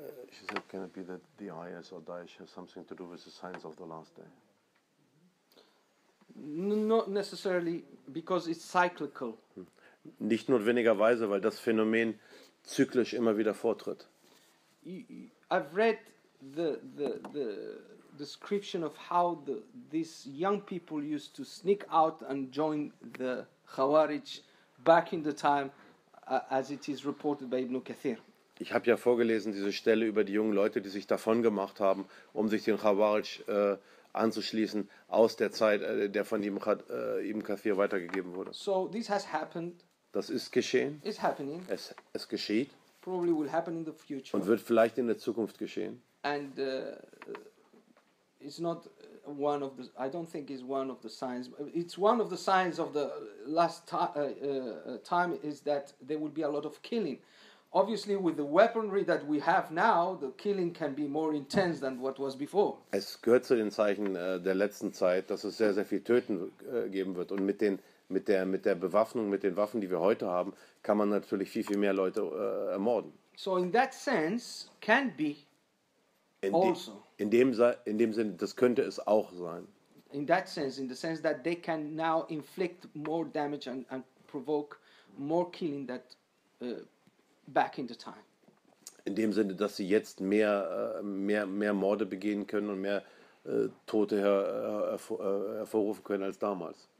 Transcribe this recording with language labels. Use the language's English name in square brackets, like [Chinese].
[English] She said, can it be that the IS or Daesh has something to do with the signs of the last day? Not necessarily, because it's cyclical. [German] Nicht notwendigerweise, weil das Phänomen zyklisch immer wieder vortritt. [English] I've read the description of how these young people used to sneak out and join the Khawarij back in the time, as it is reported by Ibn Kathir. [German] Ich habe ja vorgelesen diese Stelle über die jungen Leute, die sich davon gemacht haben, um sich den Khawarij anzuschließen aus der Zeit, der von Ibn Kathir weitergegeben wurde. [English] So this has happened. [German] Das ist geschehen. [English] It's happening. [German] Es geschieht. [English] Probably will happen in the future. [German] Und wird vielleicht in der Zukunft geschehen. [English] And it's not one of the. I don't think it's one of the signs. It's one of the signs of the last time is that there will be a lot of killing. Obviously, with the weaponry that we have now, the killing can be more intense than what was before. [German] Es gehört zu den Zeichen der letzten Zeit, dass es sehr, sehr viel Töten geben wird. Und mit der Bewaffnung, mit den Waffen, die wir heute haben, kann man natürlich viel, viel mehr Leute ermorden. [English] So in that sense, can be. [German] In dem Sinne, das könnte es auch sein. [English] In that sense, in the sense that they can now inflict more damage and provoke more killing than back in the time. [German] In dem Sinne, dass sie jetzt mehr Morde begehen können und mehr Tote hervorrufen können als damals.